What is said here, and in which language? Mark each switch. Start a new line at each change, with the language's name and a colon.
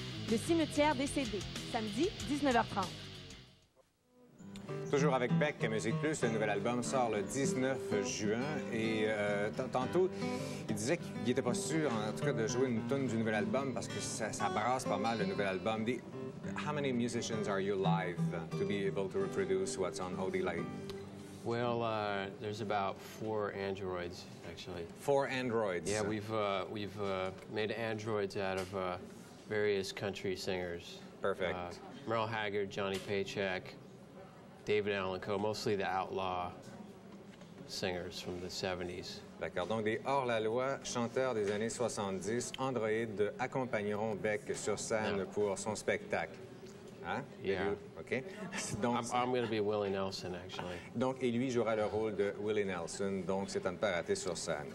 French: Le cimetière des CD, samedi, 19h30. Toujours avec Beck à Musique Plus. Le nouvel album sort le 19 juin. Et tantôt, il disait qu'il n'était pas sûr, en tout cas, de jouer une toune du nouvel album parce que ça brasse pas mal, le nouvel album.
English: How many musicians are you live to be able to reproduce what's on Holy Light? Well, there's about 4 androids, actually. 4 androids? Yeah, we've made androids out of various country singers. Perfect. Merle Haggard, Johnny Paycheck, David Allan Coe, mostly the outlaw singers from the 70s.
French: D'accord. Donc, des hors-la-loi, chanteurs des années 70, androïdes accompagneront Beck sur scène pour son spectacle. Hein?
English: Yeah. OK. Donc, I'm going to be Willie Nelson, actually.
French: Donc, et lui jouera le rôle de Willie Nelson. Donc, c'est à ne pas rater sur scène.